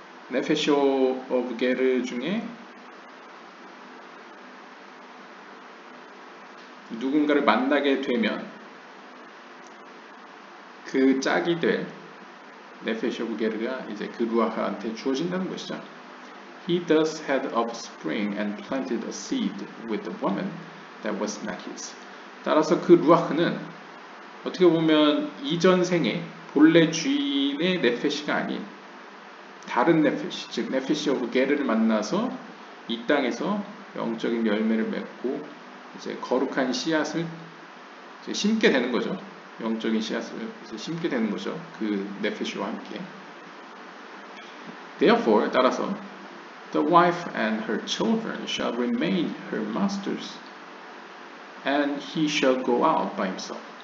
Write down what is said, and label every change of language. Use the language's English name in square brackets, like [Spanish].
[Korean] 네페시 오브 게르 중에 누군가를 만나게 되면 그 짝이 될 네페시 오브 게르가 이제 그 루아크한테 주어진다는 것이죠. [English] He thus had offspring and planted a seed with the woman that was not his. [Korean] 따라서 그 루아흐는 어떻게 보면 이전 생에 본래 주인의 네페시가 아닌 다른 네페시, 즉 네페시 오브 게르를 만나서 이 땅에서 영적인 열매를 맺고 이제 거룩한 씨앗을 이제 심게 되는 거죠. 영적인 씨앗을 이제 심게 되는 거죠. 그 네페시와 함께. [English] Therefore, [Korean] 따라서 [English] The wife and her children shall remain her masters, and he shall go out by himself.